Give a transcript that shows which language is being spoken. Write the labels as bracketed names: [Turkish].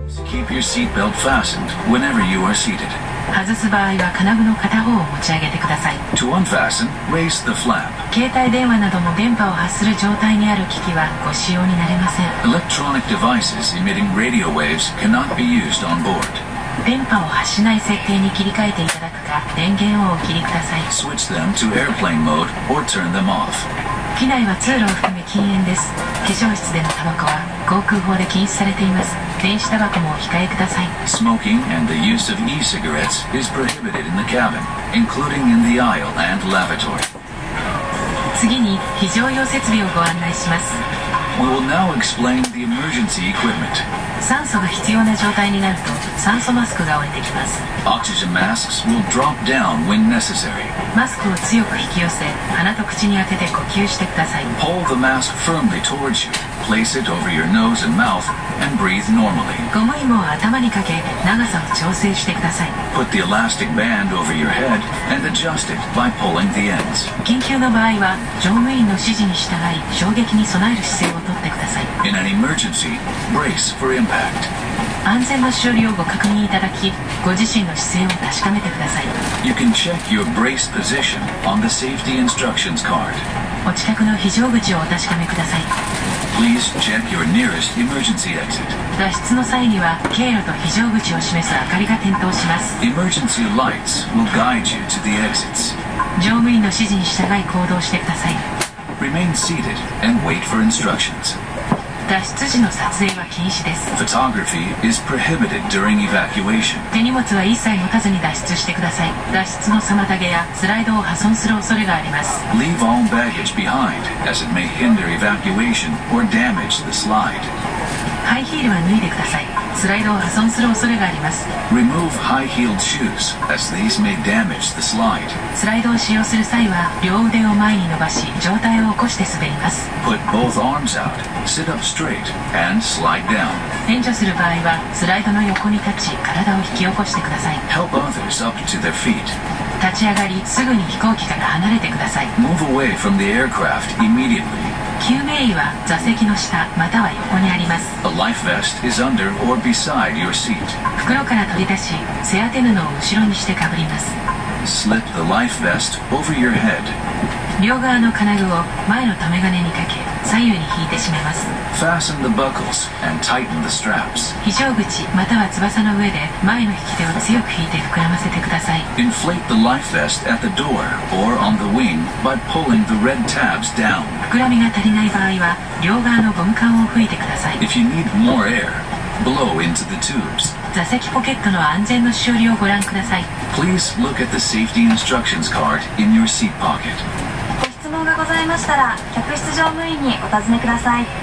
[English] Keep your seatbelt fastened whenever you are seated. [Japanese] 外す場合は金具の片方を持ち上げてください。 [English] To unfasten, raise the flap. [Japanese] 携帯電話なども電波を発する状態にある機器はご使用になれません。 [English] Electronic devices emitting radio waves cannot be used on board. [Japanese] 電波を発しない設定に切り替えていただくか、電源をお切りください。 [English] Switch them to airplane mode or turn them off. [Japanese] 機内は通路を含め禁煙です。化粧室でのタバコは航空法で禁止されています。電子タバコもお控えください。 [English] Smoking and the use of e-cigarettes is prohibited in the cabin, including in the aisle and lavatory. [Japanese] 次に非常用設備をご案内します。 [English] We will now explain the emergency equipment. [Japanese] 酸素が必要な状態になると酸素マスクが降りてきます。 [English] Oxygen masks will drop down when necessary. [Japanese] マスクを強く引き寄せ、鼻と口に当てて呼吸してください。 [English] Pull the mask firmly towards you. Place it over your nose and mouth and breathe normally. [Japanese] ゴム紐を頭にかけ、長さを調整してください。 [English] Put the elastic band over your head and adjust it by pulling the ends. [Japanese] 緊急の場合は乗務員の指示に従い、衝撃に備える姿勢を取ってください。 [English] In an emergency, brace for impact. [Japanese] 安全の処理をご確認いただき、ご自身の姿勢を確かめてください。 [English] You can check your brace position on the safety instructions card. [Japanese] お近くの非常口をお確かめください。 [English] Please check your nearest emergency exit. [Japanese] 脱出の際には、経路と非常口を示す明かりが点灯します。 [English] Emergency lights will guide you to the exits. [Japanese] 乗務員の指示に従い行動してください。 [English] Remain seated and wait for instructions. [Japanese] 脱出時の撮影は禁止です。 [English] Photography is prohibited during evacuation. [Japanese] 手荷物は一切持たずに脱出してください。脱出の妨げやスライドを破損する恐れがあります。 [English] Leave all baggage behind, as it may hinder evacuation or damage the slide. [Japanese] ハイヒールは脱いでください。スライドを破損する恐れがあります。 [English] Remove high-heeled shoes, as these may damage the slide. [Japanese] スライドを使用する際は、両腕を前に伸ばし、上体を起こして滑ります。 [English] Put both arms out, sit up straight, and slide down. [Japanese] 援助する場合は、スライドの横に立ち、体を引き起こしてください。 [English] Help others up to their feet. [Japanese] 立ち上がり、すぐに飛行機から離れてください。 [English] Move away from the aircraft immediately. [Japanese] 救命衣は座席の下または横にあります。 [English] A life vest is under or beside your seat. [Japanese] 袋から取り出し、背当て布を後ろにしてかぶります。 [English] Slip the life vest over your head. [Japanese] 両側の金具を前の留め金にかけ、左右に引いて締めます。 [English] Fasten the buckles and tighten the straps. [Japanese] 非常口または翼の上で前の引き手を強く引いて膨らませてください。 [English] Inflate the life vest at the door or on the wing by pulling the red tabs down. [Japanese] 膨らみが足りない場合は両側のゴム管を吹いてください。 [English] If you need more air, blow into the tubes. [Japanese] 座席ポケットの安全のしおりをご覧ください。 [English] Please look at the safety instructions card in your seat pocket. [Japanese] 質問がございましたら、客室乗務員にお尋ねください。